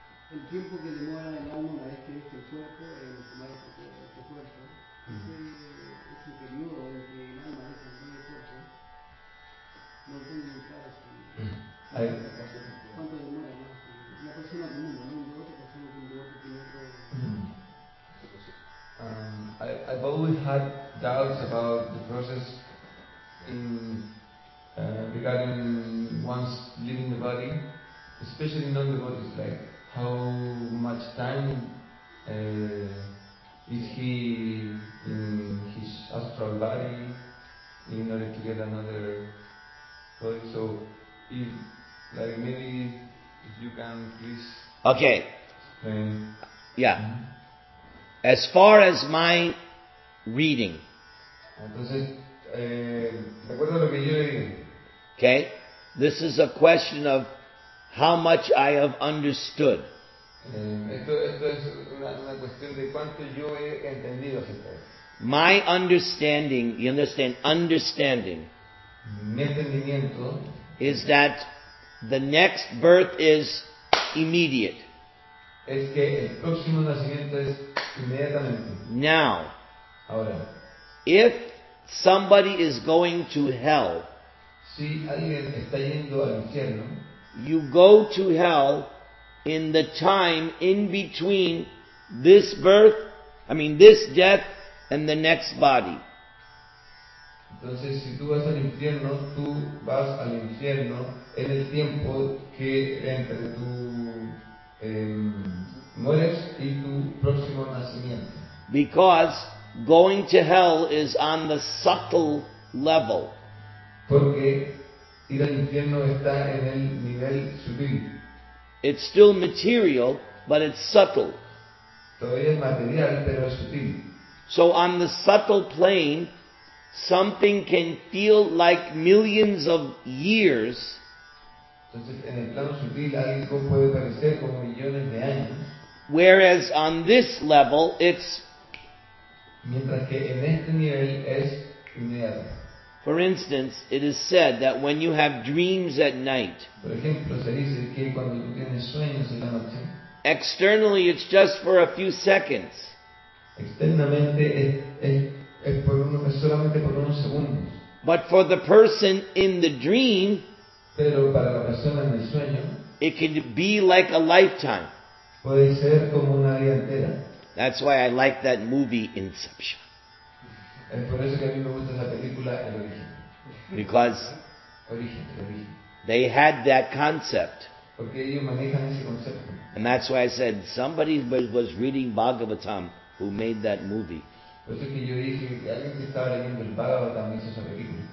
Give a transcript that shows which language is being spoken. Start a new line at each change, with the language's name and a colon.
Spanish: El tiempo que demora el alma una vez que deja el cuerpo, en tomar este cuerpo, es el periodo en que el alma deja el cuerpo. No tengo ni caso. ¿Cuánto demora más? Una persona del mundo, ¿no? Una otra persona del mundo que tiene otro.
English: I've always had doubts about the process in. Regarding one's leaving the body, especially non-devotees, like how much time is he in his astral body in order to get another body? So, if like maybe if you can please. Okay. Explain. Yeah. Mm-hmm. As far as my reading.
Spanish: Entonces, ¿de acuerdo a lo que yo leí?
English: Okay, this is a question of how much I have understood.
Spanish: Esto es una cuestión de cuánto yo he entendido.
English: My understanding, you understand, understanding,
Spanish: mi entendimiento,
English: is that the next birth is immediate.
Spanish: Es que el próximo nacimiento es inmediatamente.
English: Now,
Spanish: ahora,
English: if somebody is going to hell,
Spanish: si alguien está yendo al infierno,
English: you go to hell in the time in between this birth, I mean this death and the next body.
Spanish: Entonces, si tú vas al infierno, tú vas al infierno en el tiempo que entre tu mueres y tu próximo nacimiento.
English: Because going to hell is on the subtle level.
Spanish: Porque ir al infierno está en el nivel sutil.
English: It's still material, but it's subtle.
Spanish: Todavía es material, pero es sutil.
English: So on the subtle plane, something can feel like millions of years.
Spanish: Entonces, en el plano sutil, algo puede parecer como millones de años.
English: Whereas on this level, it's...
Spanish: Mientras que en este nivel es inmediato.
English: For instance, it is said that when you have dreams at night,
Spanish: por ejemplo, se dice que cuando tú tienes sueños en la noche,
English: externally, it's just for a few seconds.
Spanish: Externamente es por solamente por unos segundos.
English: But for the person in the dream,
Spanish: pero para la persona en el sueño,
English: it can be like a lifetime.
Spanish: Puede ser como una vida entera.
English: That's why I like that movie, Inception.
Spanish: Es por eso que a mí me gusta esa película, El Origen.
English: Because
Spanish: Origen.
English: They had that concept.
Spanish: Porque ellos manejan ese concepto.
English: And that's why I said, somebody was reading Bhagavatam who made that movie.
Spanish: Por eso que yo dije, alguien que estaba leyendo el Bhagavatam hizo esa película.